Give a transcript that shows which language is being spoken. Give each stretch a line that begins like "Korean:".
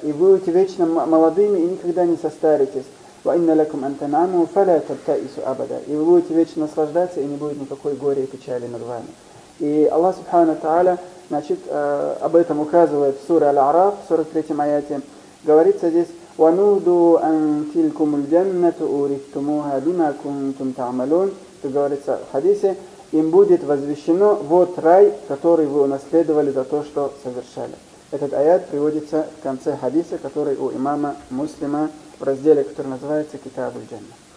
Russian: И вы будете вечно молодыми и никогда не состаритесь.
Arabic: وَإِنَّ لَكُمْ أَنْ تَنَامُوا فَلَا تَبْتَئِسُوا أَبَدًا.
Russian: И вы будете вечно наслаждаться и не будет никакой горя и печали над вами. И Аллах Субхана Тааля, значит, об этом указывает в суре Аль-Араф, 43-м аяте. Говорится здесь:
Arabic: وَنُودُوا أَن تِلْكُمُ الْجَنَّةُ أُورِثْتُمُوهَا بِمَا كُنْتُمْ تَعْمَلُونَ.
Russian: Это говорится в хадисе, им будет возвещено, вот рай, который вы унаследовали за то, что совершали. Этот аят приводится в конце хадиса, который у имама Муслима в разделе, который называется «Китаб аль-Джанна».